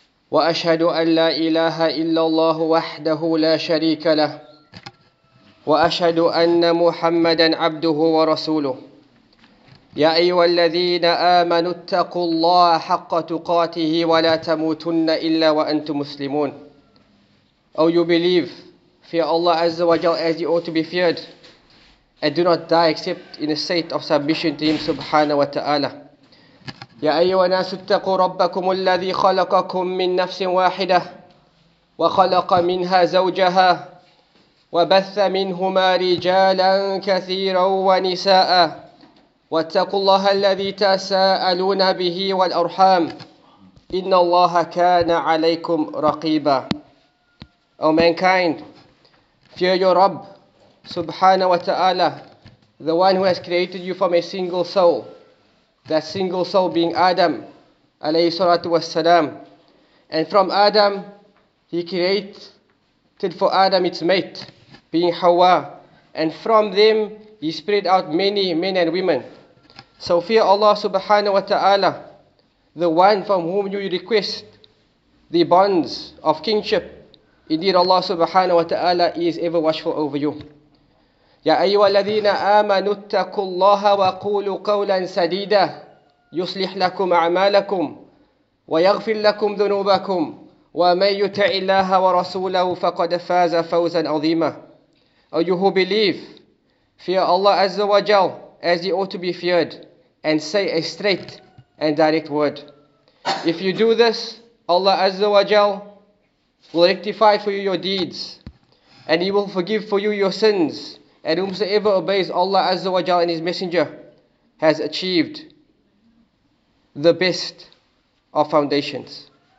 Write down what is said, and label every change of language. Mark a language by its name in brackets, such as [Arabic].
[Arabic] وأشهد أن لا إله إلا الله وحده لا شريك له وأشهد أن محمدًا عبده ورسوله يا أيها الذين آمنوا اتقوا الله حق تقاته ولا تموتن إلا وأنتم مسلمون. [English] Oh, you believe, fear Allah Azza wa Jal as you ought to be feared, and do not die except in a state of submission to Him Subhanahu wa Ta'ala. [Arabic] يا أيها الناس اتقوا ربكم الذي خلقكم من نفس واحدة وخلق منها زوجها وبث منهما رجالا كثيرا ونساء واتقوا الله الذي تساءلون به والأرحام إن الله كان عليكم رقيبا. [English] O mankind, fear your Rabb, Subhanahu wa Ta'ala, the one who has created you from a single soul, that single soul being Adam, alayhi salatu wassalam. And from Adam, he created for Adam its mate, being Hawa. And from them, he spread out many men and women. So fear Allah subhanahu wa ta'ala, the one from whom you request the bonds of kingship. Indeed, Allah subhanahu wa ta'ala is ever watchful over you. [Arabic] يا أيها الذين آمنوا اتقوا الله وقولوا قولا سديدا يصلح لكم أعمالكم ويغفر لكم ذنوبكم ومن يطع الله ورسوله فقد فاز فوزا عظيما. [English] Oh, you who believe, fear Allah Azza wa Jal as you ought to be feared, and say a straight and direct word. If you do this, Allah Azza wa Jal will rectify for you your deeds, and He will forgive for you your sins, and whomsoever obeys Allah Azza wa Jal and His Messenger has achieved the best of foundations.